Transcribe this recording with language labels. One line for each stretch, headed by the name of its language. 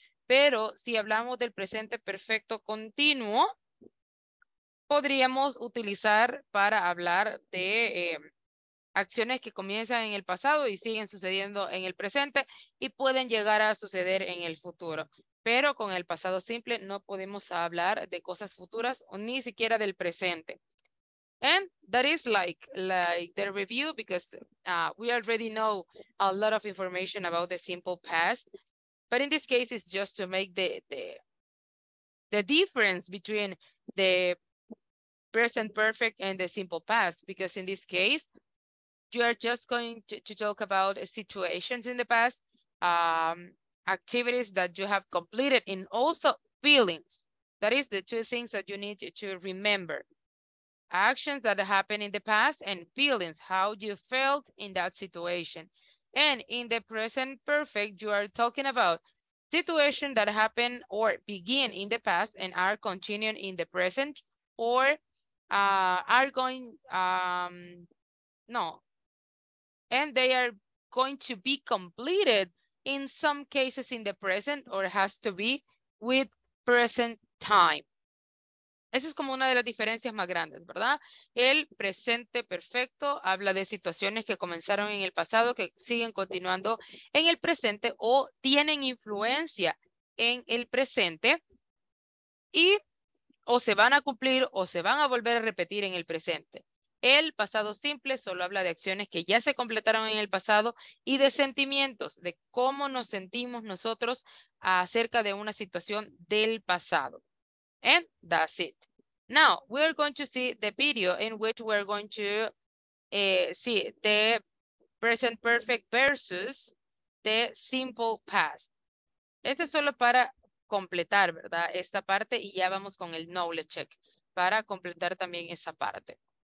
Spanish: Pero si hablamos del presente perfecto continuo, podríamos utilizar para hablar de acciones que comienzan en el pasado y siguen sucediendo en el presente y pueden llegar a suceder en el futuro. Pero con el pasado simple no podemos hablar de cosas futuras o ni siquiera del presente.
English: And that is like the review because we already know a lot of information about the simple past. But in this case, it's just to make the difference between the present perfect and the simple past. Because in this case, you are just going to talk about situations in the past, activities that you have completed, and also feelings. That is the two things that you need to remember. Actions that happened in the past and feelings, how you felt in that situation. And in the present perfect, you are talking about situations that happen or begin in the past and are continuing in the present or are going, and they are going to be completed in some cases in the present or has to be with present time.
Spanish: Esa es como una de las diferencias más grandes, ¿verdad? El presente perfecto habla de situaciones que comenzaron en el pasado, que siguen continuando en el presente o tienen influencia en el presente y o se van a cumplir o se van a volver a repetir en el presente. El pasado simple solo habla de acciones que ya se completaron en el pasado y de sentimientos, de cómo nos sentimos nosotros acerca de una situación del pasado.
English: And that's it. Now, we're going to see the video in which we're going to see the present perfect versus the simple past.
Spanish: Este es solo para completar, ¿verdad? Esta parte y ya vamos con el knowledge check para completar también esa parte.